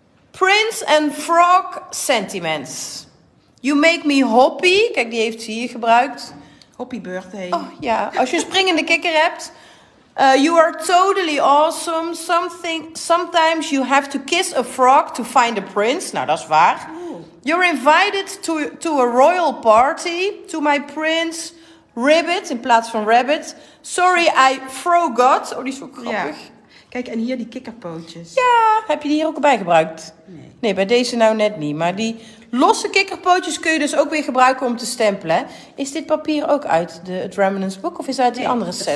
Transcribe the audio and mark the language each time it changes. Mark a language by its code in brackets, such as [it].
[en] Prince and Frog Sentiments. You make me hoppy. [nl] Kijk, die heeft ze hier gebruikt. [en] Hoppy birthday. [nl] Oh, ja. Als je een springende kikker hebt. [en] You are totally awesome. Sometimes you have to kiss a frog to find a prince. [nl] Nou, dat is waar. Ooh. [en] You're invited to a royal party. To my prince. [nl] Ribbit in plaats van rabbit. [en] Sorry, I forgot. [nl] Oh, die is zo grappig. Ja. Kijk, en hier die kikkerpootjes. Ja, heb je die hier ook bij gebruikt? Nee. Nee, bij deze nou net niet. Maar die losse kikkerpootjes kun je dus ook weer gebruiken om te stempelen. Is dit papier ook uit het Remnants boek of is dat uit die andere set?